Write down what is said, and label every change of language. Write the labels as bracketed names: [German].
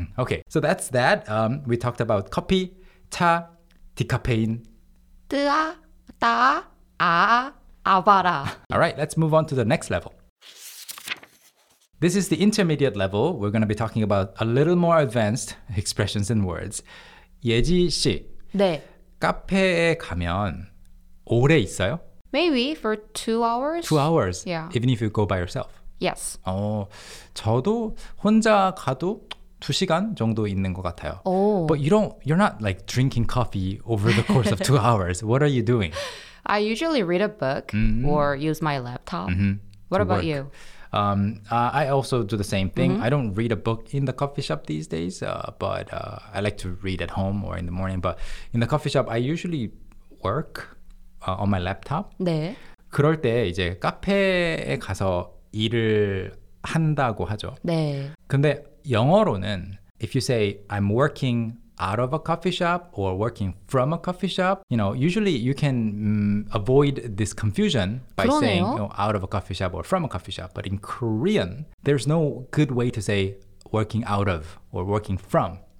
[English] Okay, so that's that. We talked about 커피, 차, 디카페인. [Korean] 뜨아, 따, 아, 아바라. [English] All right, let's move on to the next level. This is the intermediate level. We're going to be talking about a little more advanced expressions and words. [Korean] 예지 씨, 네. 카페에 가면 오래 있어요? [English] Maybe for 2 hours. 2 hours? Yeah. Even if you go by yourself? Yes. [Korean] 저도 혼자 가도 2시간 정도 있는 것 같아요. [English] Oh. But you're not like drinking coffee over the course of 2 hours. What are you doing? I usually read a book or use my laptop. Mm-hmm. What about you? I also do the same thing. Mm-hmm. I don't read a book in the coffee shop these days, but I like to read at home or in the morning. But in the coffee shop, I usually work on my laptop. [Korean] 네. 그럴 때 이제 카페에 가서 일을 한다고 하죠. 네. 근데 영어로는 [English] if you say I'm working out of a coffee shop or working from a coffee shop, you know, usually you can avoid this confusion by [Korean] 그러네요. [English] Saying you know, out of a coffee shop or from a coffee shop. But in Korean, there's no good way to say working out of or working from.